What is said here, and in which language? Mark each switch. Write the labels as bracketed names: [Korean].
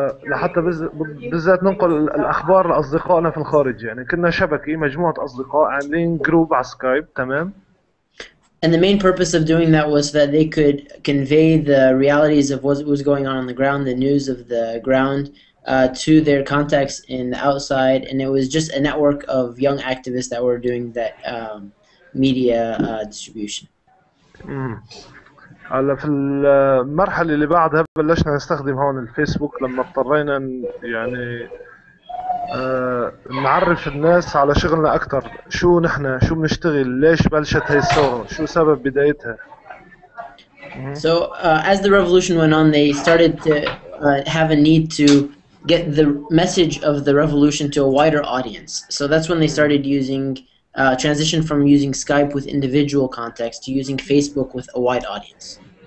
[Arabic] لحتى بالذات ننقل الاخبار لاصدقائنا في الخارج، يعني كنا شبكة مجموعة اصدقاء عاملين جروب على سكايب، تمام؟ [English] And the main purpose of doing that was that they could convey the realities of what was going on the ground, the news of the ground, to their contacts in the outside, and it was just a network of young activists that were doing that media distribution. [Arabic] على في المرحلة اللي بعدها بلشنا نستخدم هون الفيسبوك لما اضطرينا يعني نعرف الناس على شغلنا أكثر، شو نحن، شو بنشتغل، ليش بلشت هاي الثورة، شو سبب بدايتها. [English] So as the revolution went on, they started to have a need to get the message of the revolution to a wider audience. So that's when they started using transition from using Skype with individual contacts to using Facebook with a wide audience.